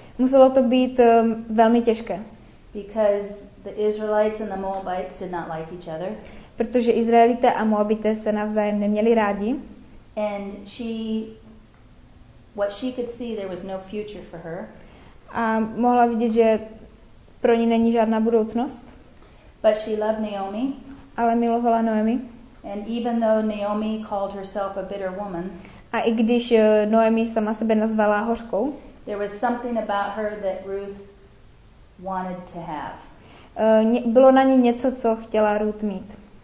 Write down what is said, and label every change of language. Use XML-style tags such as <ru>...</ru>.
<cs>Muselo to být velmi těžké.</cs> <en>Because the Israelites and the Moabites did not like each other.</en> <cs>Protože Izraelité a Moabité se navzájem neměli rádi.</cs> <en>And she, what she could see, there was no future for her.</en> <cs>A mohla vidět, že pro ní není žádná budoucnost.</cs> <en>But she loved Naomi.</en> <cs>Ale milovala Noemi.</cs> <en>And even though Naomi called herself a bitter woman,</en> <cs>a i když Noemi sama sebe nazvala hořkou,</cs> <en>there was something about her that Ruth wanted to have.</en> <cs>Bylo na ní něco, co chtěla Ruth mít.</cs>